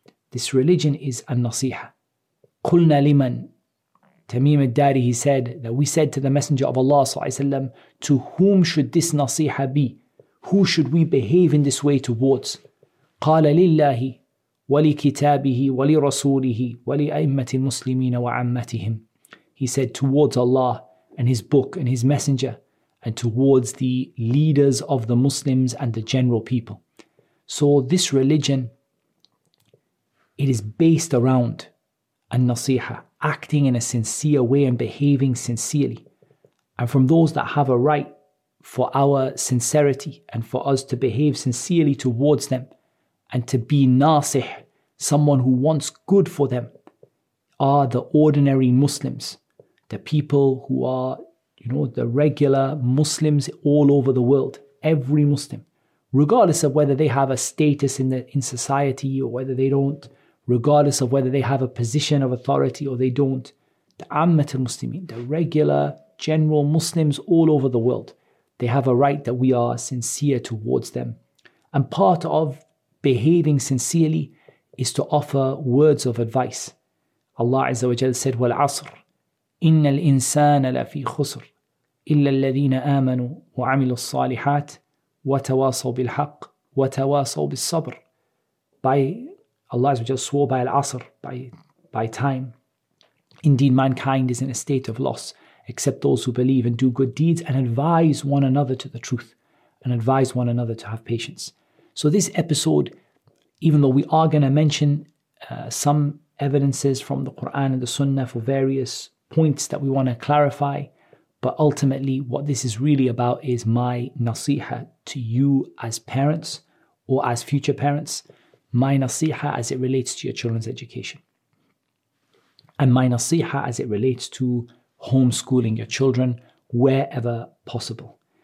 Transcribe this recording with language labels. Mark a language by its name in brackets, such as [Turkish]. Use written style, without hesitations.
[English] This religion is an-nasiha. [Arabic] Qulna liman, [English] Tamim al-Dari, he said that we said to the Messenger of Allah sallallahu alaihi wasallam, to whom should this nasiha be? Who should we behave in this way towards? [Arabic] Qala lillahi ولكتابه ولرسوله ولأئمة المسلمين وعامتهم. [English] He said, towards Allah and His book and His messenger, and towards the leaders of the Muslims and the general people. So this religion, it is based around an-nasiha, acting in a sincere way and behaving sincerely. and from those that have a right for our sincerity and for us to behave sincerely towards them and to be nasih, someone who wants good for them, are the ordinary Muslims, the people who are, you know, the regular Muslims all over the world, every Muslim, regardless of whether they have a status in society or whether they don't, regardless of whether they have a position of authority or they don't, the Ammat al-Muslimin, the regular general Muslims all over the world, they have a right that we are sincere towards them. And part of behaving sincerely is to offer words of advice. Allah Azza wa Jalla said, [Arabic] وَالْعَصْرِ إِنَّ الْإِنسَانَ لَفِي خُسْرٍ إِلَّا الَّذِينَ آمَنُوا وَعَمِلُوا الصَّالِحَاتِ وَتَوَاصَوْا بِالْحَقِّ وَتَوَاصَوْا بِالصَّبْرِ. [English] By Allah Azza wa Jalla swore by al-Asr, by time, indeed mankind is in a state of loss, except those who believe and do good deeds and advise one another to the truth, and advise one another to have patience. So this episode, even though we are going to mention some evidences from the Quran and the Sunnah for various points that we want to clarify, but ultimately what this is really about is my nasiha to you as parents or as future parents, my nasiha as it relates to your children's education, and my nasiha as it relates to homeschooling your children wherever possible.